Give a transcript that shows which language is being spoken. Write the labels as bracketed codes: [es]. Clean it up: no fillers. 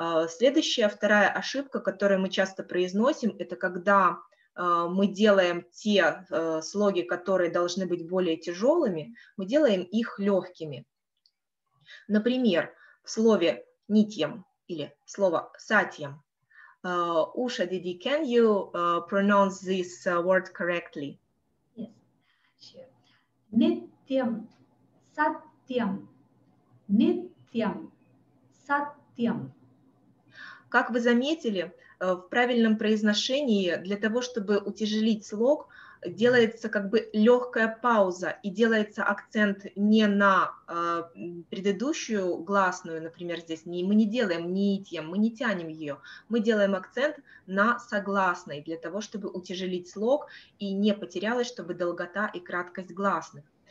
[ru] Следующая, вторая ошибка, которую мы часто произносим, это когда мы делаем те слоги, которые должны быть более тяжелыми, мы делаем их легкими. Например, в слове «нитьем» или слово «сатьем». [en] Usha, Didi, can you pronounce this word correctly? Yes, sure. [ru] Нитьем, сатьем, нитьем, сатьем. Как вы заметили, в правильном произношении для того, чтобы утяжелить слог, делается как бы легкая пауза и делается акцент не на предыдущую гласную, например, здесь не, мы не делаем нитьем, мы не тянем ее, мы делаем акцент на согласной для того, чтобы утяжелить слог и не потерялась, чтобы долгота и краткость гласных.